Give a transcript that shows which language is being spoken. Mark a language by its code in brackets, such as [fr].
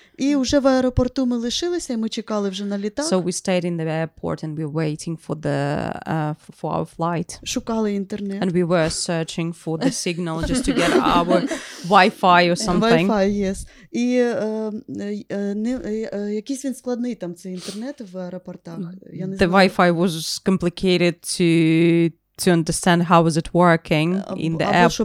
[uk] І вже в аеропорту ми лишилися, і ми чекали вже на літак. [en] So we stayed in the airport and we were waiting for the for our flight. [uk] Шукали інтернет. [en] And we were searching for the signal just to get our Wi-Fi or something. Wi-Fi, yes. [uk] І якийсь він складний там цей інтернет в аеропортах. Я не знаю. [en] The Wi-Fi was complicated to understand how is it working in the airport.